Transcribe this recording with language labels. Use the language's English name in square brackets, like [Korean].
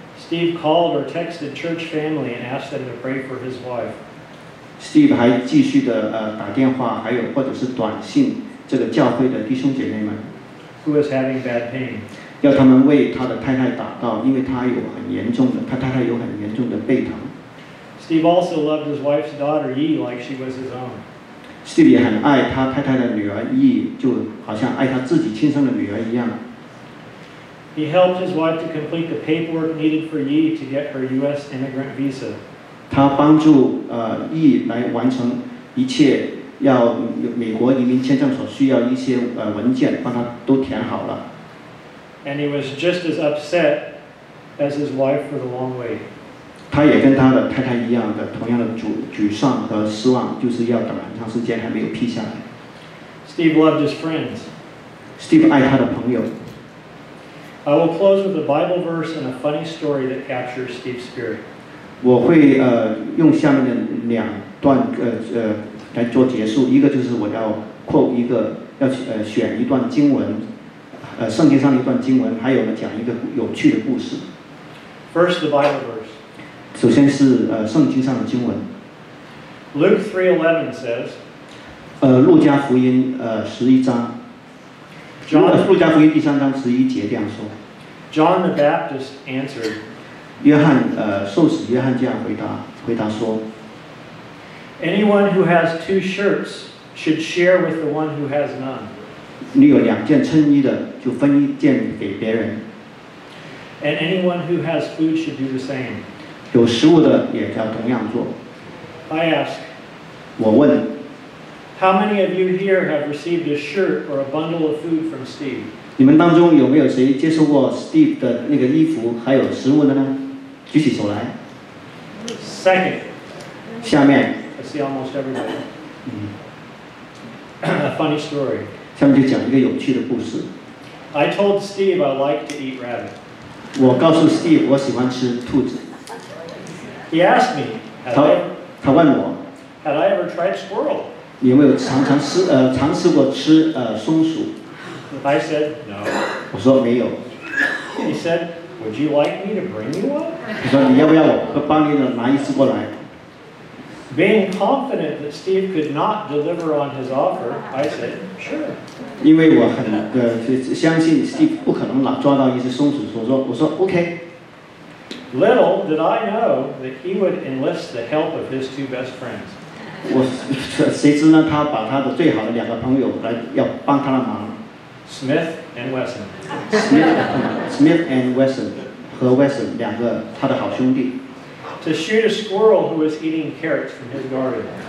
[English] Steve called or texted church family and asked them to pray for his wife. [Chinese] Steve 还继续的打电话，还有或者是短信，这个教会的弟兄姐妹们。 [English] Who was having bad pain? [Chinese] 要他们为他的太太祷告，因为他太太有很严重的背疼。 [English] Steve also loved his wife's daughter Yi like she was his own. [Chinese] Steve 也很爱他太太的女儿 Yi， 就好像爱他自己亲生的女儿一样。 [English] He helped his wife to complete the paperwork needed for Yi to get her U.S. immigrant visa. [Chinese] 他帮助Yi 来完成一切要美国移民签证所需要一些文件，帮他都填好了。 [English] And he was just as upset as his wife for the long wait. [Chinese] 他也跟他的太太一样的同样的沮丧和失望，就是要等很长时间还没有批下来。 [English] Steve loved his friends. [Chinese] Steve 爱他的朋友。 [English] I will close with a Bible verse and a funny story that captures Steve's spirit. [Chinese] 我会用下面的两段来做结束。一个就是我要 quote 一个要选一段经文，圣经上的一段经文，还有呢讲一个有趣的故事。 [English] First, the Bible verse. [Chinese] 首先是圣经上的经文。 [English] Luke 3:11 says. [Chinese] 路加福音十一章。路加福音第三章十一节这样说。 [English] John the Baptist answered. [Chinese] 约翰受洗约翰这样回答说。 [English] Anyone who has two shirts should share with the one who has none. [Chinese] 你有两件衬衣的，就分一件给别人。 [English] And anyone who has food should do the same. [Chinese] 有食物的也要同样做。 [English] I ask. [Chinese] 我问。 [English] How many of you here have received a shirt or a bundle of food from Steve? [Chinese] 你们当中有没有谁接受过 Steve 的那个衣服还有食物的呢？举起手来。 [English] Second. [Chinese] 下面。 [English] I see almost everybody. a funny story. [Chinese] 下面就讲一个有趣的故事。 [English] I told Steve I like to eat rabbit. [Chinese] 我告诉 Steve 我喜欢吃兔子。 [English] He asked me, had I [Chinese] 问我 [English] had I ever tried squirrel? [Chinese] 你有没有尝试过吃松鼠？ [English] I said, no. [Chinese] 我说没有。 [English] He said, would you like me to bring you one? [Chinese] 我说你要不要我帮你拿一只过来？ [English] Being confident that Steve could not deliver on his offer, I said, sure. [Chinese] 因为我很相信 Steve 不可能抓到一只松鼠，我说 OK。 [English] Little did I know that he would enlist the help of his two best friends. [Chinese] 我谁知呢？他把他的最好的两个朋友来要帮他的忙。 [English] Smith and Wesson. [Chinese] Smith and Wesson 和 Wesson 两个他的好兄弟。 [English] To shoot a squirrel who was eating carrots from his garden.